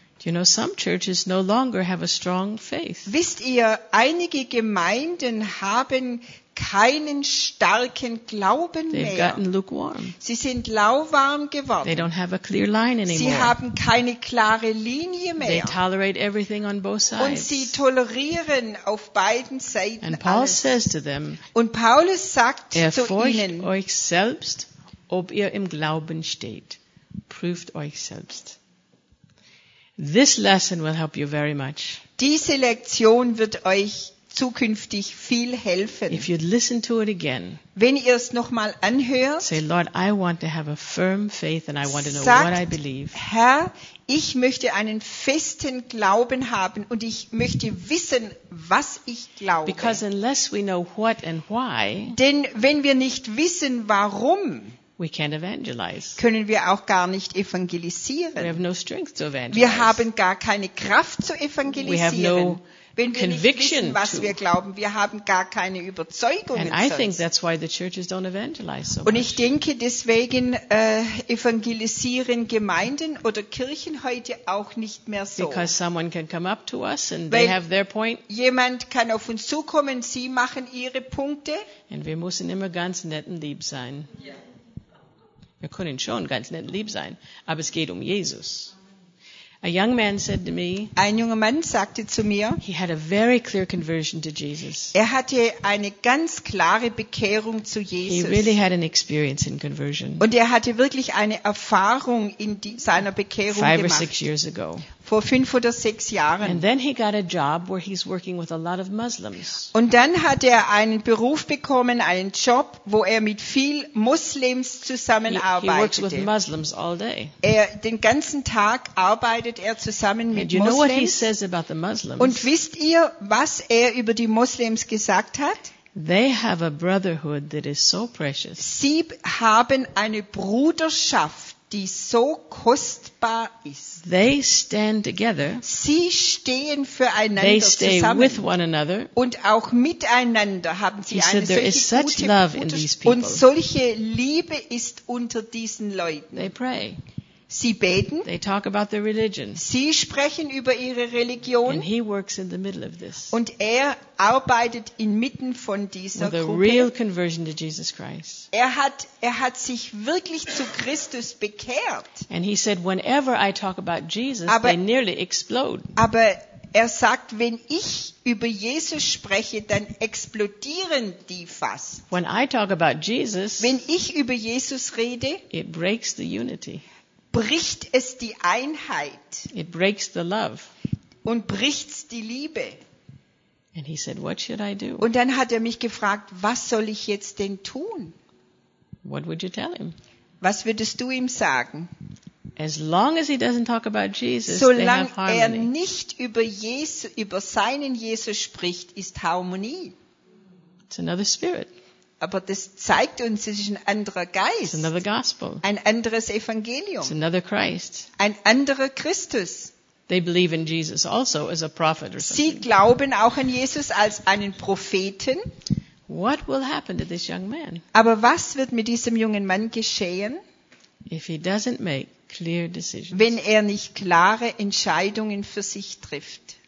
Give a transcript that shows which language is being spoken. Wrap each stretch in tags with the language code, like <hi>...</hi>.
<en>You know, some churches no longer have a strong faith.</en> <de>Wisst ihr, einige Gemeinden haben keinen starken Glauben mehr.</de> <en>They've gotten lukewarm.</en> <de>Sie sind lauwarm geworden.</de> <en>They don't have a clear line anymore.</en> <de>Sie haben keine klare Linie mehr.</de> <en>They tolerate everything on both sides.</en> <de>Und sie tolerieren auf beiden Seiten</de> <en>and Paul</en> <de>alles.</de> <en>Says to them,</en> <de>und Paulus sagt zu ihnen, euch selbst, ob ihr im Glauben steht. Prüft euch selbst.</de> <en>This lesson will help you very much.</en> <de>Diese Lektion wird euch zukünftig viel helfen.</de> <en>If you'd listen to it again,</en> <de>wenn ihr es nochmal anhört,</de> <en>say, Lord, I want to have a firm faith and I want to know what I believe.</en> <de>Herr, ich möchte einen festen Glauben haben und ich möchte wissen, was ich glaube.</de> <en>Because unless we know what and why,</en> <de>denn wenn wir nicht wissen, warum,</de> <en>we can't evangelize.</en> <de>Können wir auch gar nicht evangelisieren.</de> <en>We have no strength to evangelize.</en> <de>Wir haben gar keine Kraft zu evangelisieren.</de> <en>We have no</en> <de>wenn wir nicht wissen, was</de> <en>to.</en> <de>Wir glauben. Wir haben gar keine Überzeugung.</de> <en>And I think that's why the churches don't evangelize so</en> <de>und</de> <en>much.</en> <de>Ich denke, deswegen evangelisieren Gemeinden oder Kirchen heute auch nicht mehr so.</de> <en>Because someone can come up to us and</en> <de>weil</de> <en>they have their point.</en> <de>Jemand kann auf uns zukommen, sie machen ihre Punkte. Und wir müssen immer ganz nett und lieb sein. Yeah. Wir können schon ganz nett lieb sein, aber es geht um Jesus.</de> <en>A young man said to me,</en> <de>ein junger Mann sagte zu mir,</de> <en>he had a very clear conversion to Jesus.</en> <de>Er hatte eine ganz klare Bekehrung zu Jesus.</de> <en>He really had an experience in conversion.</en> <de>Und er hatte wirklich eine Erfahrung in seiner Bekehrung</de> <en>five</en> <de>gemacht.</de> <en>Or six years ago.</en> <de>Vor fünf oder sechs Jahren.</de> <en>And then he got a job where he's working with a lot of Muslims.</en> <de>Und dann hat er einen Beruf bekommen, einen Job, wo er mit viel Muslims zusammenarbeitete.</de> <en>He works with Muslims all day.</en> <de>Er den ganzen Tag arbeitet er zusammen mit Muslims.</de> <en>And you know what he says about the Muslims?</en> <de>Und wisst ihr, was er über die Muslims gesagt hat?</de> <en>They have a brotherhood that is so precious.</en> <de>Sie haben eine Bruderschaft, die so kostbar ist.</de> <en>They stand together.</en> <de>Sie stehen füreinander</de> <en>they stay</en> <de>zusammen.</de> <en>With one another.</en> <de>Und auch miteinander haben sie eine</de> <en>said, there is</en> <de>gute</de> <en>such love in these people.</en> <de>Und solche Liebe ist unter diesen Leuten.</de> <en>They pray.</en> <de>Sie beten.</de> <en>They talk about their religion.</en> <de>Sie sprechen über ihre Religion.</de> <en>And he works in the middle of this.</en> <de>Und er arbeitet inmitten von dieser</de> <en>with a</en> <de>Gruppe.</de> <en>Real conversion to Jesus Christ.</en> <de>Er hat sich wirklich zu Christus bekehrt.</de> <en>And he said, whenever I talk about Jesus,</en> <de>aber,</de> <en>they nearly explode.</en> <de>Aber er sagt, wenn ich über Jesus spreche, dann explodieren die fast.</de> <en>When I talk about Jesus,</en> <de>wenn ich über Jesus rede,</de> <en>it breaks the unity.</en> <de>Bricht es die Einheit?</de> <en>It breaks the love.</en> <de>Und bricht's die Liebe?</de> <en>And he said, what should I do?</en> <de>Und dann hat er mich gefragt, was soll ich jetzt denn tun?</de> <en>What would you tell him?</en> <de>Was würdest du ihm sagen?</de> <en>As long as he doesn't talk about Jesus,</en> <de>solange</de> <en>they have harmony.</en> <de>Er nicht über Jesus, über seinen Jesus spricht, ist Harmonie.</de> <en>It's another spirit.</en> <de>Aber das zeigt uns, es ist ein anderer Geist.</de> <en>It's another gospel.</en> <de>Ein anderes Evangelium.</de> <en>It's another Christ.</en> <de>Ein anderer Christus.</de> <en>They believe in Jesus also as a prophet or something.</en> <de>Sie glauben auch an Jesus als einen Propheten.</de> <en>What will happen to this young man?</en> <de>Aber was wird mit diesem jungen Mann geschehen?</de> <en>If he doesn't make clear decisions.</en> <de>Wenn er nicht klare Entscheidungen für sich trifft.</de>